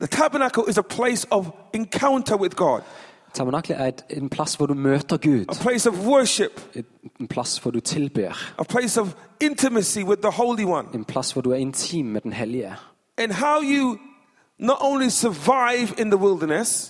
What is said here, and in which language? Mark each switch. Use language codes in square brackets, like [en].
[en] The tabernacle is a place of encounter with God. [no] Tabernakel en plass hvor du møter Gud. [en] A place of worship. [no] En plass hvor du tilber. [en] A place of intimacy with the Holy One. [no] En plass hvor du intim med den hellige. [en] And how you not only survive in the wilderness.